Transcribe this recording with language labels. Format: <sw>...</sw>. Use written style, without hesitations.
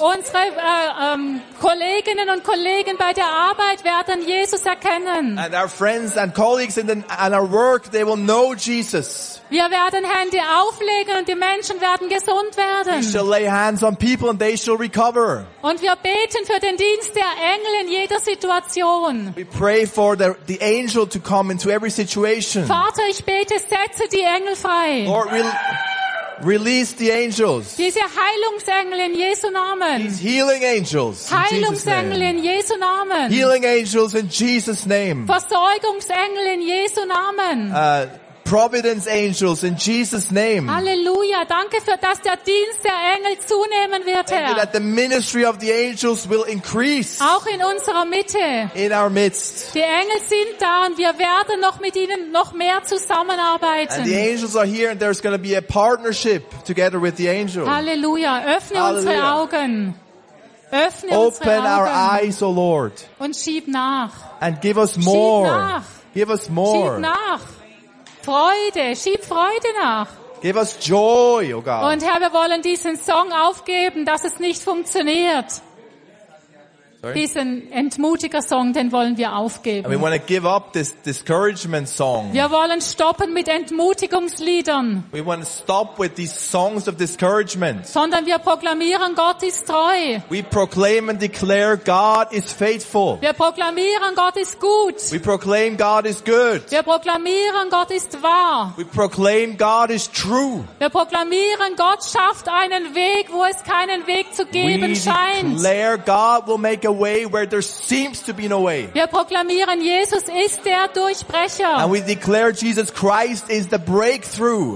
<de>Unsere Kolleginnen und Kollegen bei der Arbeit werden Jesus erkennen.</de> <en>And our friends and colleagues in our work, they will know Jesus.</en> <de>Wir werden Hände auflegen und die Menschen werden gesund werden.</de> <en>We shall lay hands on people and they shall recover.</en> <de>Und wir beten für den Dienst der Engel in jeder Situation.</de> <en>We pray for the angel to come into every situation.</en> <de>Vater, ich bete, setze die Engel frei.</de> <en>Lord, release the angels.</en> <de>Diese Heilungsengel in Jesu Namen.</de> <en>These healing angels.</en> <de>Heilungsengel in Jesu Namen.</de> <en>Healing angels in Jesus' name.</en> <de>Versorgungsengel in Jesu Namen.</de> <en>Providence angels in Jesus' name. Hallelujah.</en> <de>Danke für dass der Dienst der Engel zunehmen wird, Herr.</de> <en>That the ministry of the angels will increase.</en> <de>Auch in unserer Mitte.</de> <en>In our midst.</en> <de>Die Engel sind da und wir werden noch mit ihnen noch mehr zusammenarbeiten.</de> <en>And the angels are here and there's going to be a partnership together with the angels.</en> <de>Hallelujah. Öffne unsere Augen. Öffne</de> <en>Open our eyes, O Lord.</en> <de>Und schieb nach.</de> <en>And give us more.</en> <de>Schieb nach.</de> <en>Give us more.</en> <de>Schieb nach. Freude, schieb Freude nach.</de> <en>Give us joy, oh God.</en> <de>Und Herr, wir wollen diesen Song aufgeben, dass es nicht funktioniert.</de> <en>Sorry?</en> <de>Diesen Entmutiger-Song, den wollen wir aufgeben.</de> <en>We want to give up this discouragement song.</en> <de>Wir wollen stoppen mit Entmutigungsliedern.</de> <en>We want to stop with these songs of discouragement.</en> <de>Sondern wir proklamieren, Gott ist treu.</de> <en>We proclaim and declare God is faithful.</en> <de>Wir proklamieren, Gott ist gut.</de> <en>We proclaim God is good.</en> <de>Wir proklamieren, Gott ist wahr.</de> <en>We proclaim God is true.</en> <de>Wir proklamieren, Gott schafft einen Weg, wo es keinen Weg zu geben scheint.</de> <en>We declare God will make a way where there seems to be no way.</en> <de>Wir proklamieren, Jesus ist der Durchbrecher.</de> <en>And we declare Jesus Christ is the breakthrough.</en>